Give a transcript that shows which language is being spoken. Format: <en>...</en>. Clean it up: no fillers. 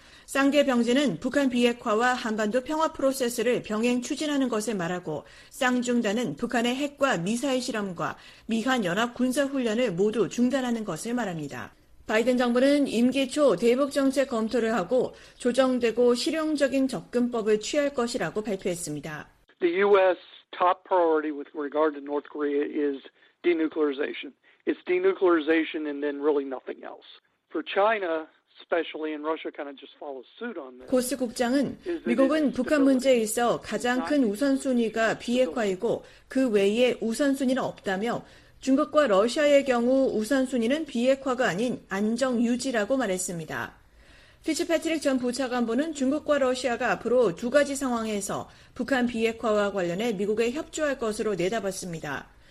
<ko>쌍계병진은 북한 비핵화와 한반도 평화 프로세스를 병행 추진하는 것을 말하고 쌍중단은 북한의 핵과 미사일 실험과 미한 연합 군사 훈련을 모두 중단하는 것을 말합니다. 바이든 정부는 임기 초 대북 정책 검토를 하고 조정되고 실용적인 접근법을 취할 것이라고 발표했습니다.</ko> <en>The U.S. top priority with regard to North Korea is denuclearization. It's denuclearization and then really nothing else. For China, especially, and Russia kind of just follows suit on this.</en> <ko>고스 국장은 미국은 북한 문제에 있어 가장 큰 우선순위가 비핵화이고 그 외에 우선순위는 없다며 중국과 러시아의 경우 우선순위는 비핵화가 아닌 안정유지라고 말했습니다. 피츠패트릭 전 부차관보는 중국과 러시아가 앞으로 두 가지 상황에서 북한 비핵화와 관련해 미국에 협조할 것으로 내다봤습니다.</ko>